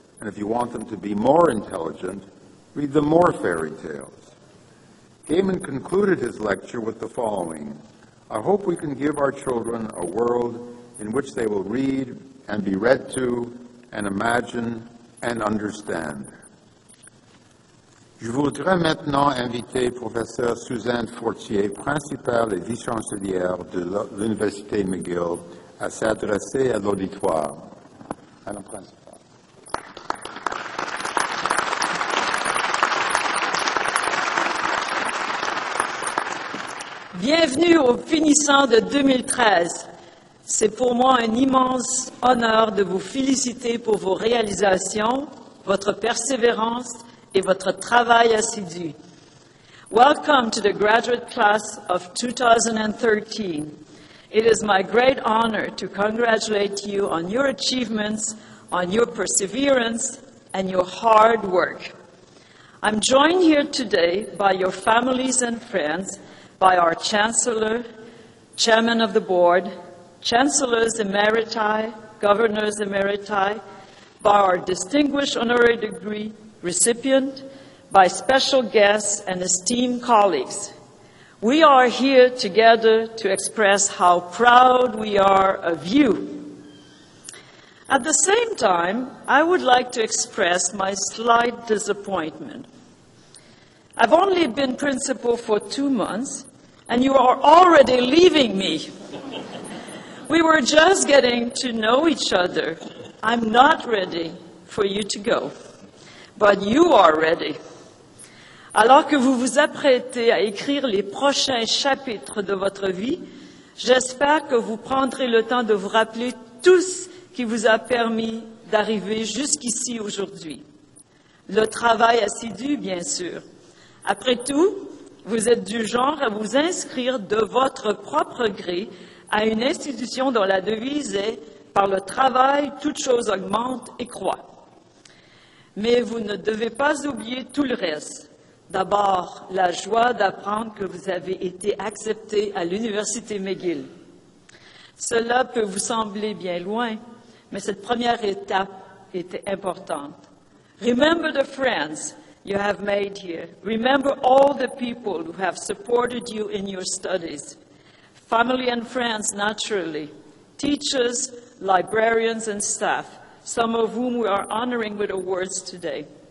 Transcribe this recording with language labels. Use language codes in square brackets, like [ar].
[en] And if you want them to be more intelligent, read them more fairy tales. Gaiman concluded his lecture with the following. I hope we can give our children a world in which they will read and be read to and imagine and understand. [fr] Je voudrais maintenant inviter Professeur Suzanne Fortier, principale et vice-chancelière de l'Université McGill, à s'adresser à l'auditoire. Madame la Présidente. Bienvenue au finissant de 2013. C'est pour moi un immense honneur de vous féliciter pour vos réalisations, votre persévérance et votre travail assidu. [en] Welcome to the graduate class of 2013. It is my great honor to congratulate you on your achievements, on your perseverance and your hard work. I'm joined here today by your families and friends, by our Chancellor, Chairman of the Board, Chancellors Emeriti, Governors Emeriti, by our Distinguished Honorary Degree Recipient, by special guests and esteemed colleagues. We are here together to express how proud we are of you. At the same time, I would like to express my slight disappointment. I've only been principal for 2 months, and you are already leaving me. We were just getting to know each other. I'm not ready for you to go, but you are ready. [fr] Alors que vous vous apprêtez à écrire les prochains chapitres de votre vie, j'espère que vous prendrez le temps de vous rappeler tout ce qui vous a permis d'arriver jusqu'ici aujourd'hui. Le travail assidu, bien sûr. Après tout, vous êtes du genre à vous inscrire de votre propre gré à une institution dont la devise est « Par le travail, toute chose augmente et croît ». Mais vous ne devez pas oublier tout le reste. D'abord, la joie d'apprendre que vous avez été accepté à l'Université McGill. Cela peut vous sembler bien loin, mais cette première étape est importante. [en] Remember the friends you have made here. Remember all the people who have supported you in your studies. Family and friends, naturally. Teachers, librarians, and staff, some of whom we are honoring with awards today.